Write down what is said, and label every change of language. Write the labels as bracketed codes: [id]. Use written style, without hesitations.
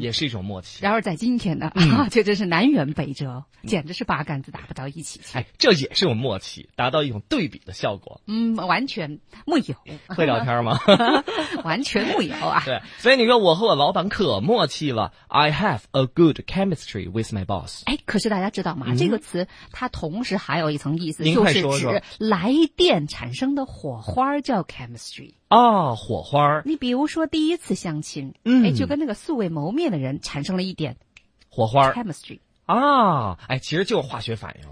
[zh] 也是一种默契。然而在今天呢，嗯、就真是南辕北辙，简直是八竿子打不到一起去。哎，这也是种默契，达到一种对比的效果。嗯，完全木有。会聊天吗？完全木有啊。对，所以你说我和我老板可默契了。 [en] I have a good chemistry with my boss。 [zh] 哎，可是大家知道吗、嗯、这个词它同时还有一层意思，您快说说。就是指来电产生的火花叫 chemistry。哦，火花。你比如说第一次相亲，嗯，哎，就跟那个素未谋面的人产生了一点火花 [en] chemistry。 [zh] 啊，哎，其实就是化学反应，